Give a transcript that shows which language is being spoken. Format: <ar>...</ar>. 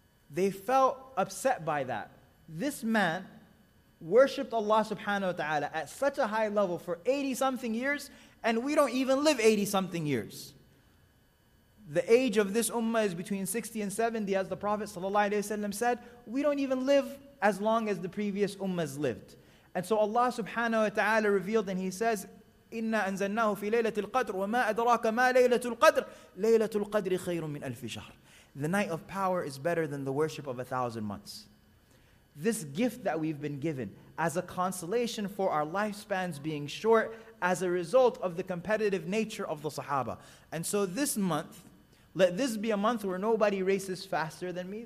<en>They felt upset by that. This man worshipped Allah subhanahu wa ta'ala at such a high level for 80-something years, and we don't even live 80-something years. The age of this ummah is between 60 and 70, as the Prophet sallallahu alayhi wa sallam said, we don't even live as long as the previous ummahs lived. And so Allah subhanahu wa ta'ala revealed and he says,</en> <ar>إِنَّا أَنزَلْنَاهُ فِي لَيْلَةِ الْقَدْرِ وَمَا أَدْرَاكَ مَا لَيْلَةُ الْقَدْرِ لَيْلَةُ الْقَدْرِ خَيْرٌ مِنْ أَلْفِ شَهْرٍ.</ar> <en>The night of power is better than the worship of 1,000 months. This gift that we've been given as a consolation for our lifespans being short as a result of the competitive nature of the Sahaba. And so this month, let this be a month where nobody races faster than me.</en>